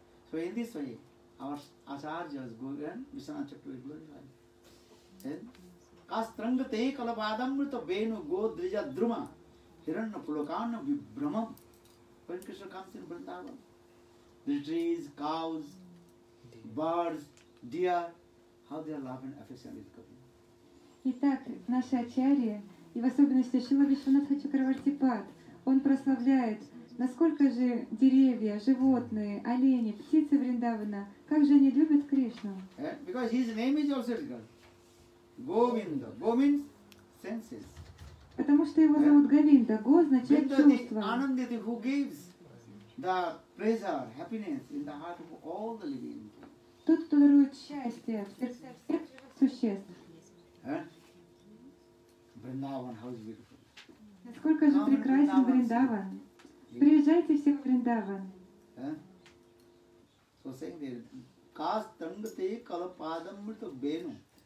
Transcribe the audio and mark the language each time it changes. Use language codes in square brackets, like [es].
[en] So in this way, our acharyas Govind, Vishwanatha Chakravarti glorified. [sa] Kastrangate kalapadamrita venu godrija druma hiranna pulokana vibhramam. [en] When Krishna comes in Vrindavan, the trees, cows, birds, deer, how they are loving affectionately with Kapila. [ru] Итак, наши ачарьи, и в особенности Шрила Вишванатха Чакраварти Пад, он прославляет, насколько же деревья, животные, олени, птицы Вриндавана, как же они любят Кришну. [en] Because his name is also regarded. Govinda. Go means senses. [ru] Потому что его зовут Говинда. Go означает чувство. [en] Anandati, who gives the pleasure, happiness in the heart of all the living. [ru] Тот, кто дарует счастье в сердце существ. [en] Vrindavan, how is beautiful. [ru] Насколько же прекрасен Вриндаван. Приезжайте все в Вриндаван. [en] So saying there, [sa] kastangate kalapadamrita venu.